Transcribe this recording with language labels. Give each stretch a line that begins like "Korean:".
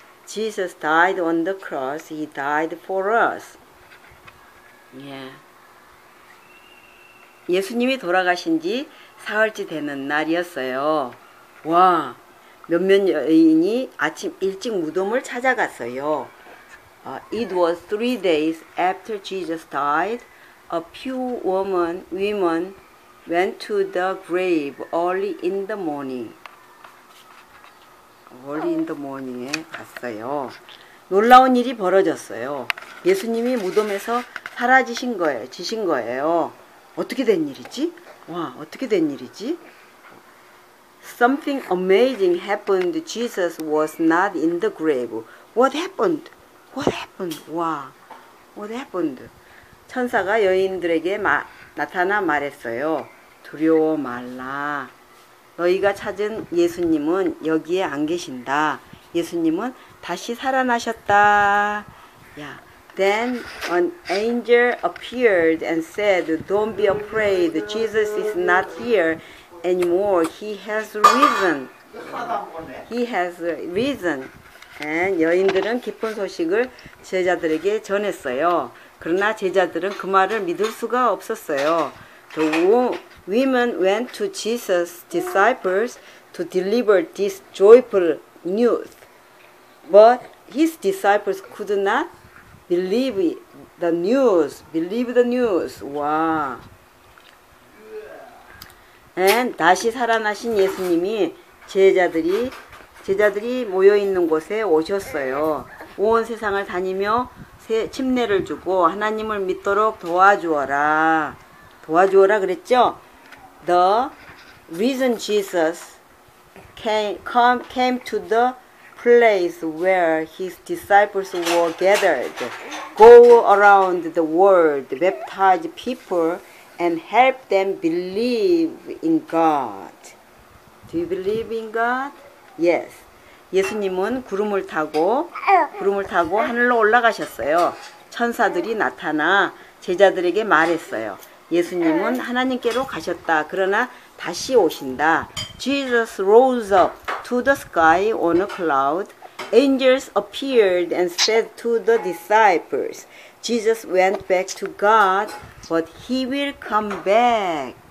English: Jesus died on the cross. He died for us. Yeah.
Korean: 예수님이 돌아가신 지 사흘째 되는 날이었어요. 와, 몇몇 여인이 아침 일찍 무덤을 찾아갔어요.
English: It was three days after Jesus died. A few women went to the grave early in the morning. Early in the morning
Korean: 에 갔어요. 놀라운 일이 벌어졌어요. 예수님이 무덤에서 사라지신 거예요. 지신 거예요. 어떻게 된 일이지? 와, 어떻게 된 일이지?
English: Something amazing happened. Jesus was not in the grave. What happened? What happened? 와, what happened?
Korean: 천사가 여인들에게 나타나 말했어요. 두려워 말라. 너희가 찾은 예수님은 여기에 안 계신다. 예수님은 다시 살아나셨다. 야.
English: Then an angel appeared and said, Don't be afraid. Jesus is not here anymore. He has risen. He has risen.
Korean: And 여인들은 기쁜 소식을 제자들에게 전했어요. 그러나 제자들은 그 말을 믿을 수가 없었어요.
English: The women went to Jesus' disciples to deliver this joyful news. But his disciples could not believe the news. Believe the news. 와.
Korean: And 다시 살아나신 예수님이 제자들이 모여있는 곳에 오셨어요. 온 세상을 다니며 침례를 주고 하나님을 믿도록 도와주어라. 도와주어라 그랬죠?
English: The reason Jesus came to the place where his disciples were gathered. Go around the world, baptize people, and help them believe in God. Do you believe in God? Yes.
Korean: 예수님은 구름을 타고 하늘로 올라가셨어요. 천사들이 나타나 제자들에게 말했어요. 예수님은 하나님께로 가셨다. 그러나 다시 오신다.
English: Jesus rose up to the sky on a cloud. Angels appeared and said to the disciples, Jesus went back to God, but he will come back.